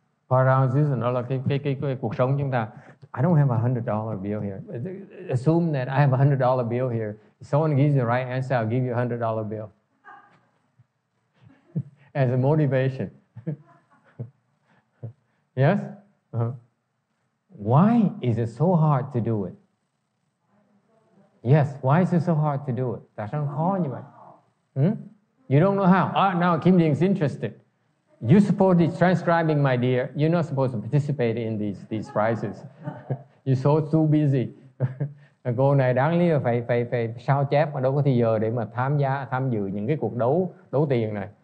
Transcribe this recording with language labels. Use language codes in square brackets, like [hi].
[en] Part of our existence, [vi] nó là cái cuộc sống chúng ta. [en] I don't have $100 bill here. Assume that I have $100 bill here. If someone gives you the right answer, I'll give you $100 bill. As a motivation. Yes? Uh-huh. Why is it so hard to do it? Yes, why is it so hard to do it? [vi] Tại sao khó như vậy? [en] You don't know how. Ah, now Kim Ding's interested. You support this transcribing, my dear. You're not supposed to participate in these prizes. You're so too busy. [vi] Cô này đáng lý là phải sao chép mà đâu có thời giờ để mà tham dự những cái cuộc đấu tiền này.